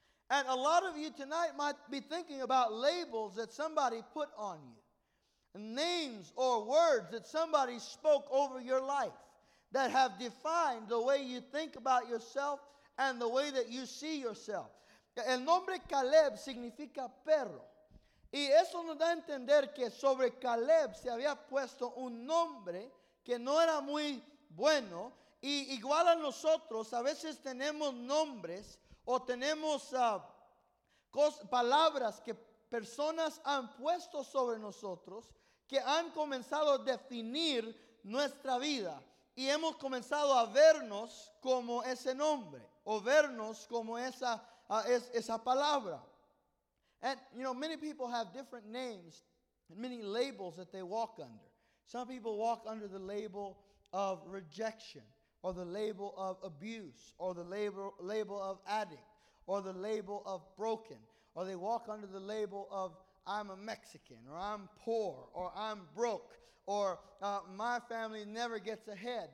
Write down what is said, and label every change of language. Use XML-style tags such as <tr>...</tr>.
<en>And a lot of you tonight might be thinking about labels that somebody put on you, names or words that somebody spoke over your life that have defined the way you think about yourself and the way that you see yourself.</en> <es>El nombre Caleb significa perro. Y eso nos da a entender que sobre Caleb se había puesto un nombre que no era muy bueno. Y igual a nosotros, a veces tenemos nombres o tenemos palabras que personas han puesto sobre nosotros que han comenzado a definir nuestra vida. Y hemos comenzado a vernos como ese nombre o vernos como esa palabra.</es> <en>And, you know, many people have different names and many labels that they walk under. Some people walk under the label of rejection, or the label of abuse, or the label of addict, or the label of broken. Or they walk under the label of I'm a Mexican, or I'm poor, or I'm broke, or my family never gets ahead.</en>